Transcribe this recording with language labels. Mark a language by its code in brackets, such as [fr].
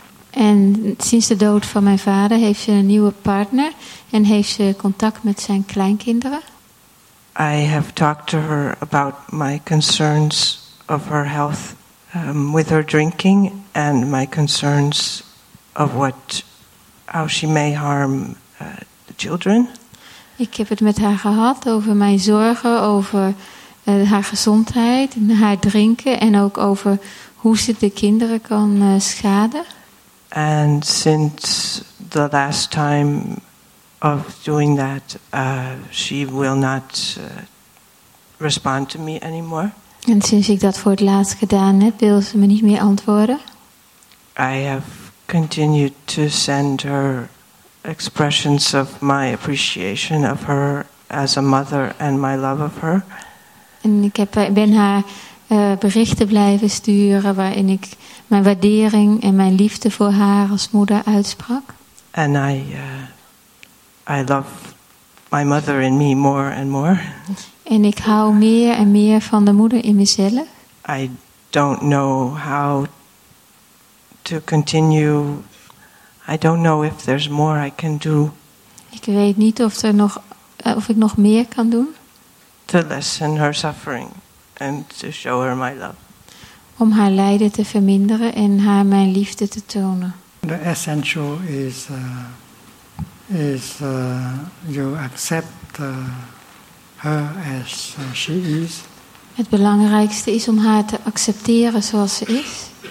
[nl] En sinds de dood van mijn vader heeft ze een nieuwe partner en heeft ze contact met zijn kleinkinderen. [en] I have talked to her about my concerns of her health with her drinking and my concerns of how she may harm the children. [nl] Ik heb het met haar gehad over mijn zorgen over haar gezondheid en haar drinken en ook over hoe ze de kinderen kan schaden. [en] And since the last time of doing that, she will not respond to me anymore. [nl] En sinds ik dat voor het laatst gedaan heb, wil ze me niet meer antwoorden. [en] I have continued to send her expressions of my appreciation of her as a mother and my love of her. [nl] En ik ben haar berichten blijven sturen waarin ik mijn waardering en mijn liefde voor haar als moeder uitsprak. [en] And I love my mother in me more and more. [nl] En ik hou meer en meer van de moeder in mezelf. [en] I don't know how to continue. I don't know if there's more I can do. [nl] Ik weet niet of er nog of ik nog meer kan doen. [en] To lessen her suffering and to show her my love. [nl] Om haar lijden te verminderen en haar mijn liefde te tonen. [en] The essential is you accept her as she is. [nl] Het belangrijkste is om haar te accepteren zoals ze is.